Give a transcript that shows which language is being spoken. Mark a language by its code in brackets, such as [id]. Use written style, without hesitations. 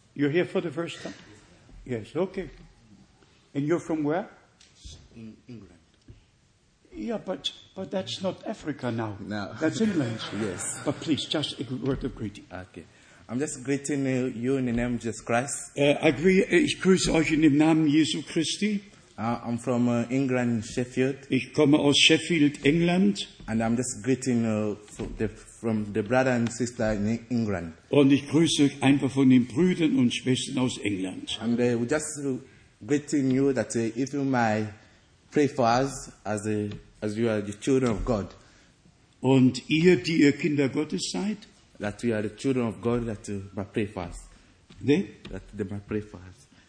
[en] You're here for the first time? Yes. Yes, okay. And you're from where? In England. Yeah, but that's not Africa now. No. That's England. Yes. But please, just a word of greeting. Okay. I'm just greeting you in the name of Jesus Christ. [de] Ich grüße euch in dem Namen Jesu Christi. [en] I'm from England, Sheffield. [de] Ich komme aus Sheffield, England. [en] And I'm just greeting from the brother and sister in England. [de] Und ich grüße euch einfach von den Brüdern und Schwestern aus England. [en] And we just greeting you that if you might pray for us as you are the children of God. [de] Und ihr, die ihr Kinder Gottes seid. [en] That we are the children of God, that might pray for us. They? That they might pray for us.